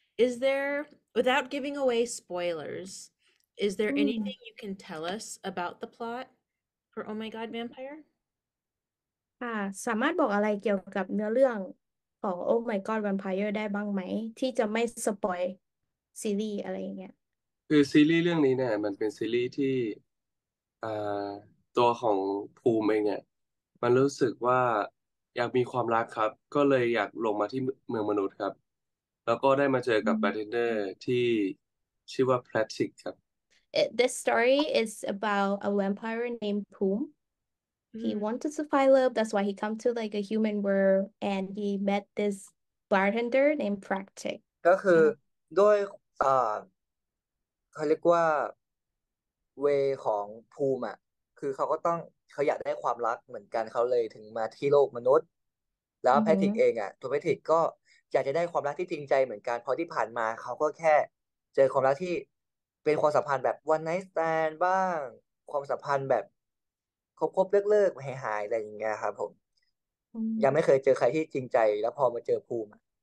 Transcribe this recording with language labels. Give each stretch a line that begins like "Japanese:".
English: Is there, without giving away spoilers, is there anything you can tell us about the plot for Oh My God Vampire?
Thai: สามารถบอกอะไรเกี่ยวกับเนื้อเรื่องของ Oh My God Vampire ได้บ้างไหมที่จะไม่สปอยซีรีส์อะไรอย่างเงี้ย คือซีรีส์เรื่องนี้เนี่ยมันเป็นซีรีส์ที่ตัวของภูมิเองเนี่ยมันรู้สึกว่าอยากมีความรักครับก็เลยอยากลงมาที่เมืองมนุษย์ครับแล้วก็ได้มาเจอกับบาร์เทนเดอร์ที่ชื่อว่าแพลทริกครับ
English: This story is about a vampire named Poom. He wanted to find love, that's why he come to like a human world and he met this bartender named Practic.
Thai: ก็คือด้วยเขาเรียกว่าเวของภูมิอ่ะคือเขาก็ต้องเขาอยากได้ความรักเหมือนกันเขาเลยถึงมาที่โลกมนุษย์แล้วแพทริกเองอ่ะตัวแพทริกก็อยากจะได้ความรักที่จริงใจเหมือนกันเพราะที่ผ่านมาเขาก็แค่เจอความรักที่เป็นความสัมพันธ์แบบ
English: one night stand
Thai: บ้างความสัมพันธ์แบบคบๆเลิกๆหายๆอะไรอย่างเงี้ยครับผมยังไม่เคยเจอใครที่จริงใจแล้วพอมาเจอภูมิม